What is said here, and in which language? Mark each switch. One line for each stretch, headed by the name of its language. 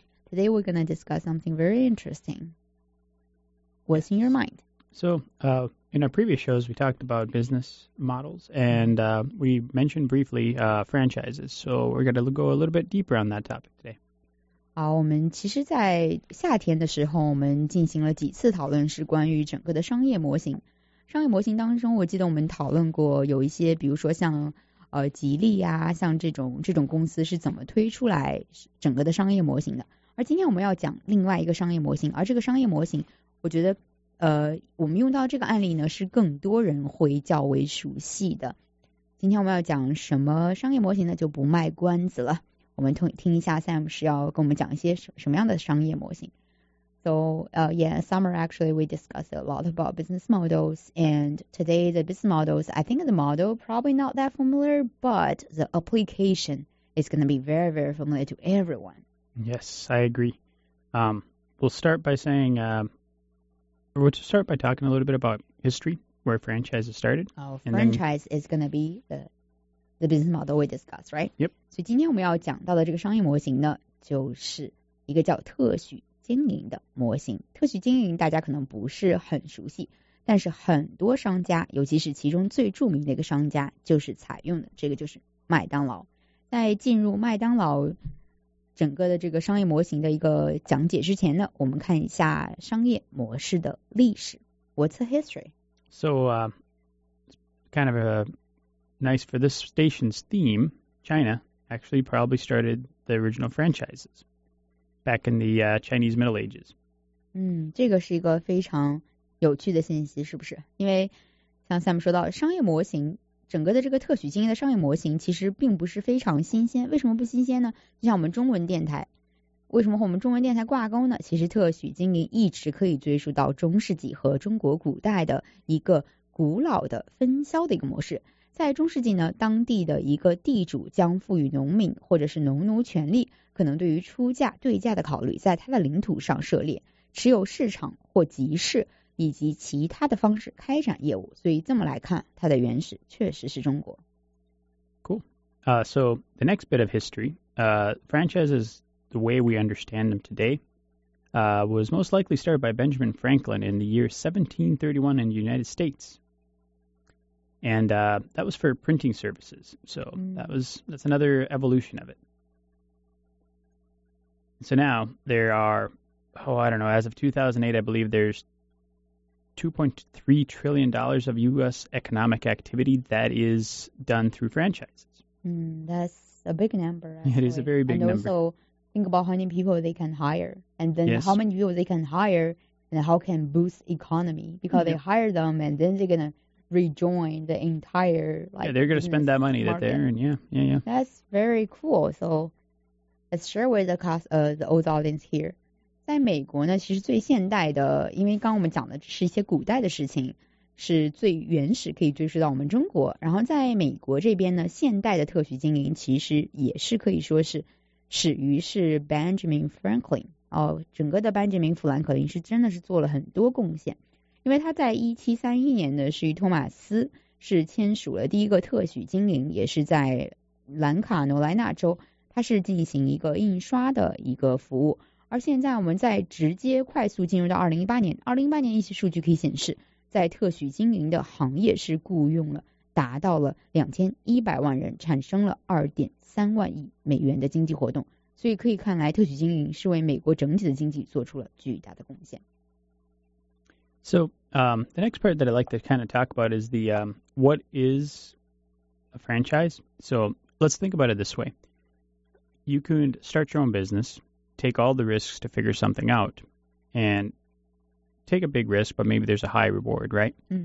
English: Today we're going to discuss something very interesting. What's in your mind? So, in our previous shows, we talked about business models, and we mentioned briefly franchises. So we're going to go a little bit deeper on that topic today.
Chinese: 好，我们其实在夏天的时候我们进行了几次讨论，是关于整个的商业模型。商业模型当中我记得我们讨论过有一些，比如说像吉利啊，像这种公司是怎么推出来整个的商业模型的。而今天我们要讲另外一个商业模型，而这个商业模型我觉得我们用到这个案例呢是更多人会较为熟悉的。今天我们要讲什么商业模型呢，就不卖关子了。我们听一下 Sam 是要跟我们讲一些什么样的商业模型。
English: So, summer actually we discussed a lot about business models, and today the business models, I think the model probably not that familiar, but the application is going to be very, very familiar to everyone. Yes, I agree. We'll start by saying, we'll just start by talking a little bit about history, where franchises started. Is going to be the business model we discussed, right? Yep.
Chinese: 所以今天我们要讲到的这个商业模型呢，就是一个叫特许经营的模型。特许经营大家可能不是很熟悉，但是很多商家，尤其是其中最著名的一个商家，就是采用的这个，就是麦当劳。在进入麦当劳整个的这个商业模型的一个讲解之前呢，我们看一下商业模式的历史。
English: What's the history? So, kind of a... nice for this station's theme, China actually probably started the original franchises back in the Chinese Middle Ages.
Chinese: 这个是一个非常有趣的信息，是不是？因为像 Sam 说到，商业模型，整个的这个特许经营的商业模型其实并不是非常新鲜。为什么不新鲜呢？就像我们中文电台，为什么和我们中文电台挂钩呢？其实特许经营一直可以追溯到中世纪和中国古代的一个古老的分销的一个模式。在中世纪呢，当地的一个地主将赋予农民或者是农奴权利，可能对于出价对价的考虑在他的领土上涉猎，持有市场或集市以及其他的方式开展业务。所以这么来看，它的原始确实是中国。
English: Cool. So the next bit of history, franchises, the way we understand them today, was most likely started by Benjamin Franklin in the year 1731 in the United States. And that was for printing services. So that's another evolution of it. So now there are, as of 2008, I believe there's $2.3 trillion of U.S. economic activity that is done through franchises. That's a big number. It is a very big number. And also, think about how many people they can hire. And then how many people they can hire and how can boost economy. Because they hire them and then they're going to rejoin the entire they're going to spend that money market. That they earn. Yeah. That's very cool. So let's share with the old audience here.
Chinese: 在美国呢，其实最现代的，因为刚刚我们讲的是一些古代的事情，是最原始可以追溯到我们中国。然后在美国这边呢，现代的特许经营其实也是可以说是始于是 Benjamin Franklin。哦，整个的 Benjamin 富兰克林是真的是做了很多贡献，因为他在1731年呢，是与托马斯是签署了第一个特许经营，也是在兰卡罗来纳州，他是进行一个印刷的一个服务。而现在我们在直接快速进入到2018年一些数据可以显示，在特许经营的行业是雇佣了达到了2100万人，产生了$2.3万亿的经济活动。所以可以看来，特许经营是为美国整体的经济做出了巨大的贡献。
English: So, the next part that I'd like to kind of talk about is the what is a franchise? So let's think about it this way: you could start your own business. Take all the risks to figure something out and take a big risk, but maybe there's a high reward, right?